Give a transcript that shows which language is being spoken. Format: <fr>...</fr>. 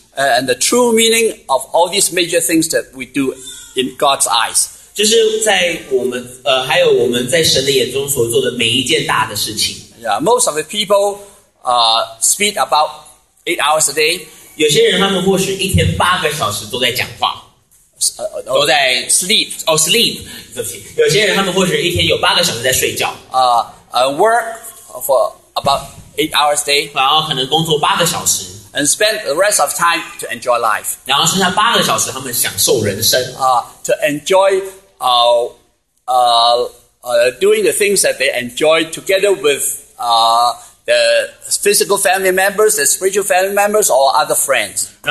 <en>And the true meaning of all these major things that we do in God's eyes.</en> <zh>就是在我们还有我们在神的眼中所做的每一件大的事情.</zh> <en>Yeah, most of the people speak about 8 hours a day.</en> <zh>有些人他们或许一天8个小时都在讲话.</zh> <en>Sleep. Oh, sleep.</en> <zh>有些人他们或许一天有8个小时在睡觉.</zh> <en>Work for about 8 hours a day.</en> <zh>然后可能工作8个小时.</zh> <en>And spend the rest of time to enjoy life.</en> <zh>然后剩下8个小时他们享受人生.</zh> <en>To enjoy doing the things that they enjoy together with the physical family members, the spiritual family members, or other friends.</en>